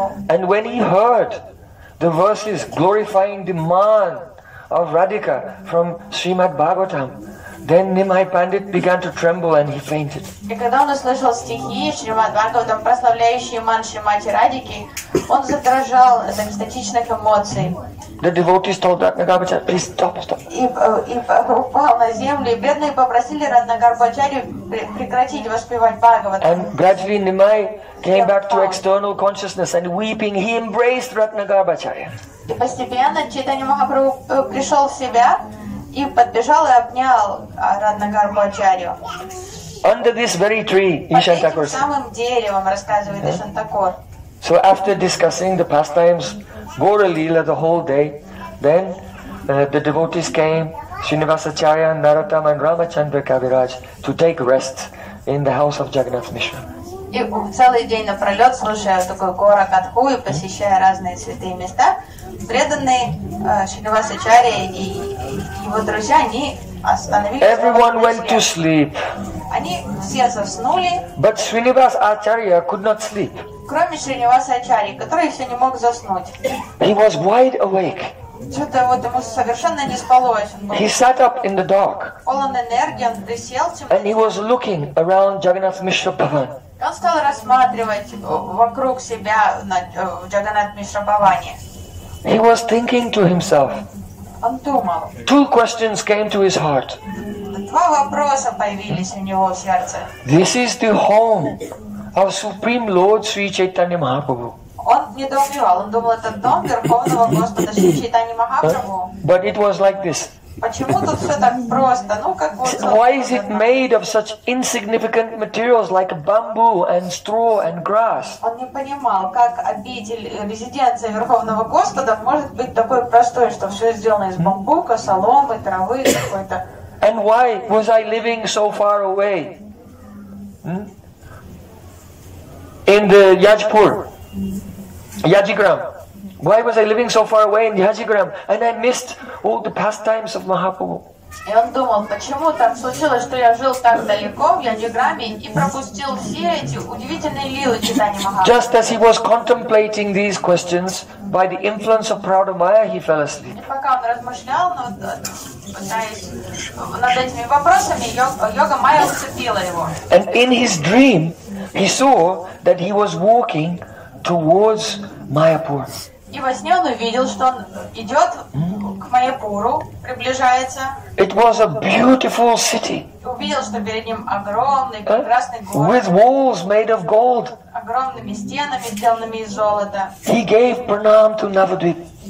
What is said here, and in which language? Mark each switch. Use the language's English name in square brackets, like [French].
[English] And when he heard the verses glorifying the man of Radhika from Srimad Bhagavatam, then Nimai Pandit began to tremble and he fainted. [Russian] И когда он услышал стихи Шримад Бхагаватам, прославляющие манши мати Радики, он задрожал от экстатичных эмоций. [English] The devotees told Ratnagarbha Acharya, please stop, stop. [Russian] И упал на землю, бедные попросили Ратнагарбху Ачарью прекратить воспевать Бхагаватам. [English] And gradually Nimai came back to external consciousness and weeping, he embraced Ratnagarbha Acharya. [Russian] И постепенно Чайтанья Махапрабху пришел в себя, и подбежал и обнял Ратнагарбху Ачарью. [English] Under this very tree, Ishan Thakur. [Russian] Под этим самым деревом, рассказывает Ishan Thakur. [English] So after discussing the pastimes, Gora Lila the whole day, then the devotees came, Srinivasacharya, Narottam and Ramachandra Kaviraj, to take rest in the house of Jagannath Mishra. [Russian] И целый день напролет, слушая такую гора катху и посещая разные святые места, преданные Шинивасачарья и его друзья, они остановились. [English] Everyone went to sleep. [Russian] Они все заснули. [English] But Srinivas Acharya could not sleep. [Russian] Кроме Шринивасачарьи, который все не мог заснуть. [English] He was wide awake. [Russian] Что-то вот ему совершенно не спалось. [English] He sat up in the dark. [Russian] Полон энергии, он присел. [English] And he was looking around Jagannath Mishra Bhavan. [Russian] Он стал рассматривать вокруг себя на Джаганат Мишра Бхаване. [English] He was thinking to himself. [Russian] Он думал. [English] Two questions came to his heart. [Russian] Два вопроса появились у него в сердце. [English] This is the home of Supreme Lord Sri Chaitanya Mahaprabhu. [Russian] Он недоумевал, он думал, это дом Верховного Господа Шри Чайтаньи Махапрабху. [English] But it was like this. [Russian] Почему тут все так просто? Ну как вот. [English] Why is it made of such insignificant materials like bamboo and straw and grass? [Russian] Он не понимал, как обитель, резиденция Верховного Господа может быть такой простой, что все сделано из бамбука, соломы, травы какой-то. [English] And why was I living so far away? In the Yajpur, Yajigram. Why was I living so far away in Yajigram and I missed all the pastimes of Mahaprabhu? [Russian] И он думал, почему так случилось, что я жил так далеко в Яджиграме и пропустил все эти удивительные лилы Чайтаньи Махапрабху. [English] Just as he was contemplating these questions, by the influence of Prouda Maya, he fell asleep. [Russian] И пока он размышлял, но пытаясь над этими вопросами, йога Майя уцепила его. [English] And in his dream, he saw that he was walking towards Mayapur. [Russian] И во сне он увидел, что он идет к Майяпуру, приближается. [English] It was a beautiful city. [Russian] Увидел, что перед ним огромный, прекрасный город. [English] With walls made of gold. [Russian] Огромными стенами, сделанными из золота. [English] He gave pranam to Navadvip.